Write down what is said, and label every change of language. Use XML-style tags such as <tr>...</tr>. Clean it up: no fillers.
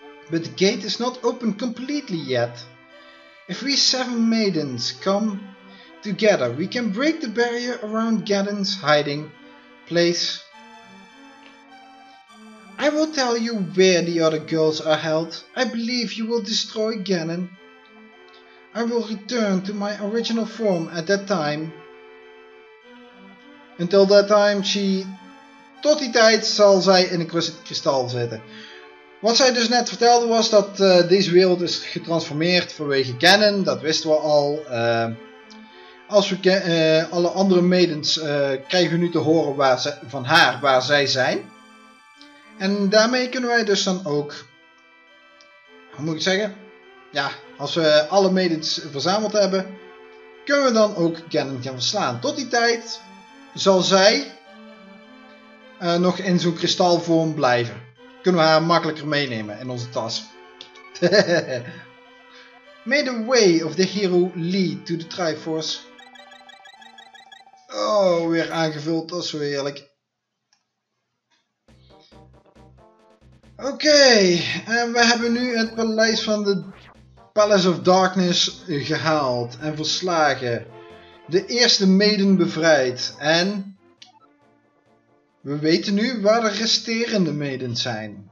<en>But the gate is not open completely yet. If we seven maidens come together, we can break the barrier around Ganon's hiding place. I will tell you where the other girls are held. I believe you will destroy Ganon. I will return to my original form at that time. Until that time,</en> <nl>tot die tijd zal zij in een kristal zitten. Wat zij dus net vertelde was dat deze wereld is getransformeerd vanwege Ganon. Dat wisten we al. Als we alle andere maidens krijgen we nu te horen waar zij zijn. En daarmee kunnen wij dus dan ook. Hoe moet ik zeggen? Ja, als we alle maidens verzameld hebben, kunnen we dan ook Ganon gaan verslaan. Tot die tijd. Zal zij nog in zo'n kristalvorm blijven? Kunnen we haar makkelijker meenemen in onze tas?</nl> <en>May the way of the hero lead to the Triforce.</en> <nl>Oh, weer aangevuld, dat is weer heerlijk. Oké, en we hebben nu het paleis van de Palace of Darkness gehaald en verslagen. De eerste maiden bevrijd. En we weten nu waar de resterende maidens zijn.</nl>